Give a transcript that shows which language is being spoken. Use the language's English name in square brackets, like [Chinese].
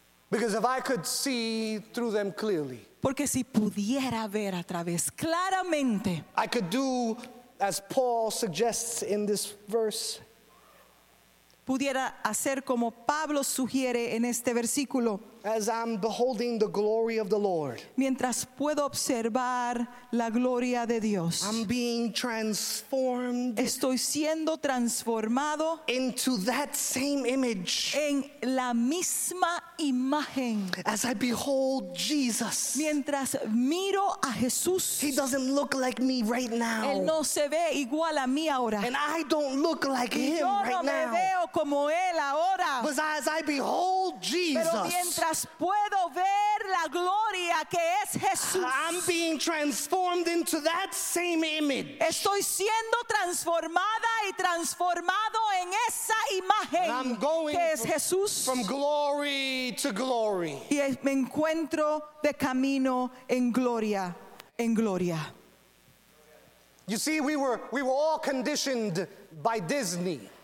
[English] Because if I could see through them clearly, [Spanish] porque si pudiera ver a través claramente, [English] I could do as Paul suggests in this verse. [Spanish] Pudiera hacer como Pablo sugiere en este versículo. [English] As I'm beholding the glory of the Lord, [Spanish] mientras puedo observar la gloria de Dios, [English] I'm being transformed. [Spanish] Estoy siendo transformado [English] into that same image. [Spanish] En la misma imagen. [English] As I behold Jesus, [Spanish] mientras miro a Jesús, [English] he doesn't look like me right now. [Spanish] Él no se ve igual a mí ahora. [English] And I don't look like him right now. [Spanish] Yo no me veo como él ahora. [English] But as I behold Jesus. [Spanish] Pero mientras puedo ver la gloria que es Jesús. [English] I'm being transformed into that same image. [Spanish] Estoy siendo transformada y transformado en esa imagen que es Jesús. [English] From glory to glory. [Spanish] Y me encuentro de camino en gloria, en gloria. [English] You see, we were all conditioned by Disney.